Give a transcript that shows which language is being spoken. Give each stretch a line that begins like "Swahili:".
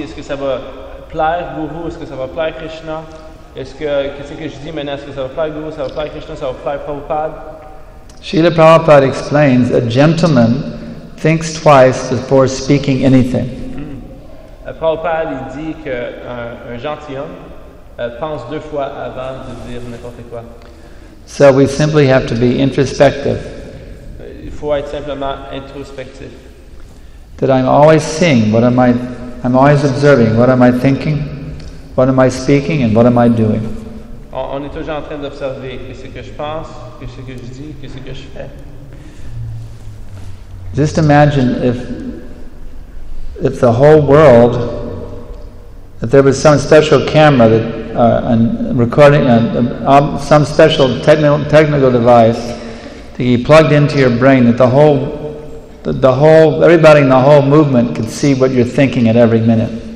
French: Est-ce que ça va plaire Guru? Est-ce que ça va plaire Krishna? Qu'est-ce que je dis maintenant? Est-ce que ça va plaire Guru? Ça va plaire Krishna? Ça va plaire Prabhupada?
English: Srila Prabhupada explains, a gentleman thinks twice before speaking anything.
French: Prabhupada, il dit qu'un gentilhomme pense deux fois avant de dire n'importe quoi.
English: So we simply have to be introspective.
French: Il faut être simplement introspectif.
English: That I'm always seeing, what am I, I'm always observing, what am I thinking, what am I speaking, and what am I doing.
French: On est toujours en train d'observer qu'est-ce que je pense, qu'est-ce que je dis, qu'est-ce que je fais.
English: Just imagine if the whole world, if there was some special camera that and recording some special technical device that you plugged into your brain, that the whole everybody in the whole movement could see what you're thinking at every minute.